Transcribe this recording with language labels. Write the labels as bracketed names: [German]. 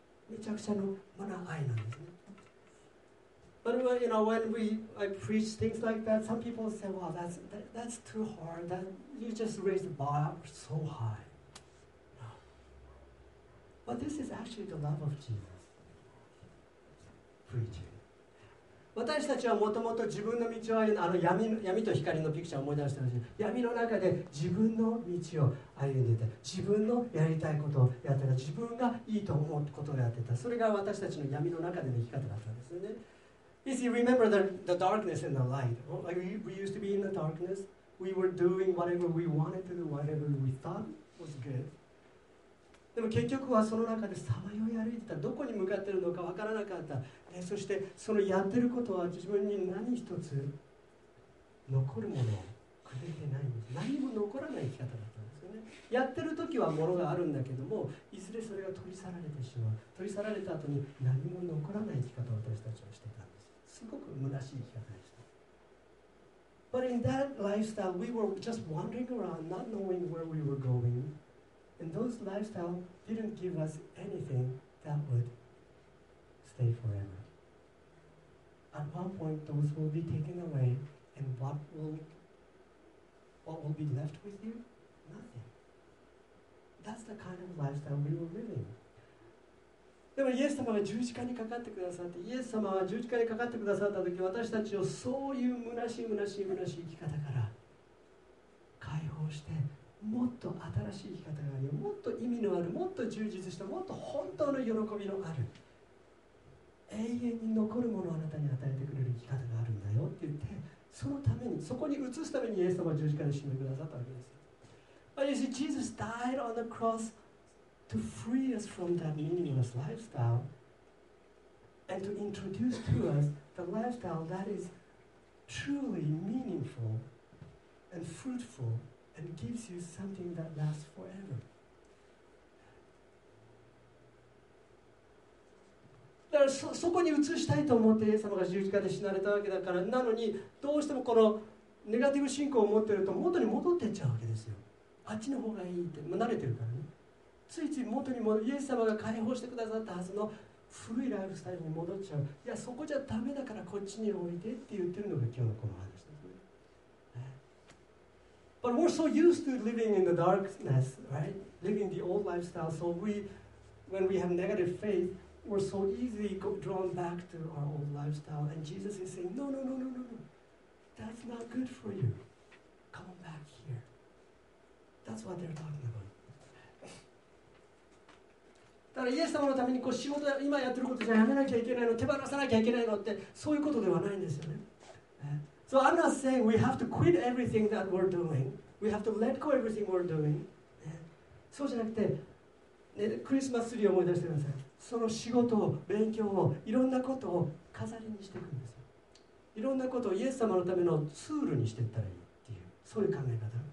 [Japanese] めちゃくちゃのマナー愛なんですね。 [English] But you know, when we I preach things like that, some people say, "Well, that's too hard. That you just raised the bar so high." But this is actually the love of Jesus. [Japanese] 私たちはもともと自分の道を歩む、あの 闇と光のピクチャーを思い出してほしい。闇の中で自分の道を歩んでいた、自分のやりたいことをやってた、自分がいいと思うことをやってた、それが私たちの闇の中での生き方だったんですよね。 [English] If you remember the darkness and the light, we used to be in the darkness. We were doing whatever we wanted to do, whatever we thought was good. [Japanese] でも結局はその中でさまよい歩いてた、どこに向かってるのか分からなかった、ね、そしてそのやってることは自分に何一つ残るものをくれてないんです。何も残らない生き方だったんですよね。やってる時はものがあるんだけども、いずれそれが取り去られてしまう、取り去られた後に何も残らない生き方を私たちはしてたんです。すごく虚しい生き方でした。 [English] But in that lifestyle we were just wandering around not knowing where we were goingAnd those lifestyles didn't give us anything that would stay forever. At one point, those will be taken away, and what will be left with you? Nothing. That's the kind of lifestyle we were living. [Japanese] でもイエス様が十字架にかかってくださって、イエス様は十字架にかかってくださったとき、私たちをそういう虚しい虚しい虚しい生き方から解放して、もっと新しい生き方があるよ、もっと意味のある、もっと充実した、もっと本当の喜びのある、永遠に残るものをあなたに与えてくれる生き方があるんだよって言って、そのためにそこに移すためにイエス様は十字架で死んでくださったわけです。 [English] But you see, Jesus died on the cross to free us from that meaningless lifestyle and to introduce to us the lifestyle that is truly meaningful and fruitfulAnd gives you something that lasts forever. [Japanese] だから そこに移したいと思ってイエス様が十字架で死なれたわけだから、なのにどうしてもこのネガティブ信仰を持ってると元に戻っていっちゃうわけですよ。あっちの方がいいって、もう慣れてるからね、ついつい元に戻る、イエス様が解放してくださったはずの古いライフスタイルに戻っちゃう。いやそこじゃダメだからこっちにおいでって言ってるのが今日のこの話です。 [English] But we're so used to living in the darkness, right? Living the old lifestyle. So when we have negative faith, we're so easily drawn back to our old lifestyle. And Jesus is saying, no, no, no, no, no, no. That's not good for you. Come back here. That's what they're talking about. [Japanese] だからイエス様のためにこう仕事や今やってることじゃやめなきゃいけないの、手放さなきゃいけないのって、そういうことではないんですよね。 [English] So I'm not saying we have to quit everything that we're doing. We have to let go everything we're doing. [Japanese] そうじゃなくて、ね、クリスマスツリーを思い出してください。その仕事を、勉強を、いろんなことを飾りにしていくんですよ。いろんなことをイエス様のためのツールにしていったらいいっていう、そういう考え方。